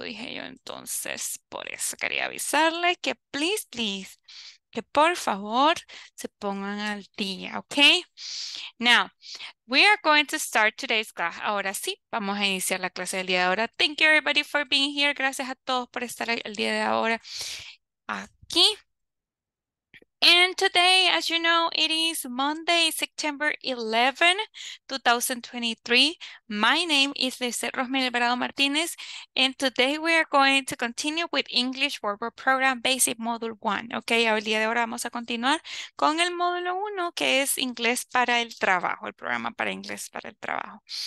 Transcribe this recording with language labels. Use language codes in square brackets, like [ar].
[es] Dije yo, entonces, por eso quería avisarle que [en] please, please, [es] que por favor se pongan al día, ¿ok? [en] Now, we are going to start today's class. [es] Ahora sí, vamos a iniciar la clase del día de ahora. [en] Thank you everybody for being here. [es] Gracias a todos por estar el día de ahora aquí. [en] And today, as you know, it is Monday, September 11, 2023. My name is Lizette Rosmel Alvarado Martinez, and today we are going to continue with English Verbal Program Basic Module 1. [es] Okay, el día de ahora vamos a continuar con el módulo 1, que es inglés para el trabajo, el programa para inglés para el trabajo.